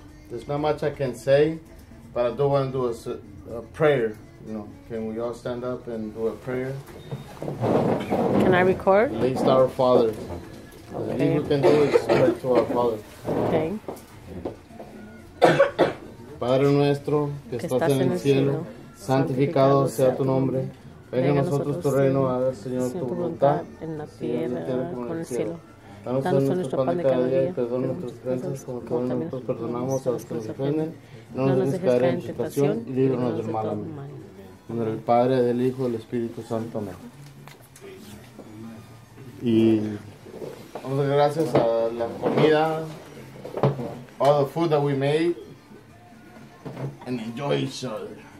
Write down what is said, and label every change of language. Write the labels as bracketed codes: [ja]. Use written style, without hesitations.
[en] There's not much I can say, but I do want to do a prayer. You know, can we all stand up and do a prayer? Can I record? At least our Father. Okay. The thing we can do is pray to our Father. Okay. [es] Padre nuestro, que estás en el cielo, santificado sea tu nombre. Venga a nosotros tu reino, haga Señor tu voluntad en la tierra como en el cielo. Danos hoy nuestro pan de cada día y perdona nuestras ofensas como también nosotros perdonamos a los que nos ofenden. No nos dejes caer en tentación y líbranos del mal. Amén. En nombre del Padre, del Hijo y del Espíritu Santo. Amén. Y vamos a dar gracias a la comida, [en] all the food that we made, and enjoy each other.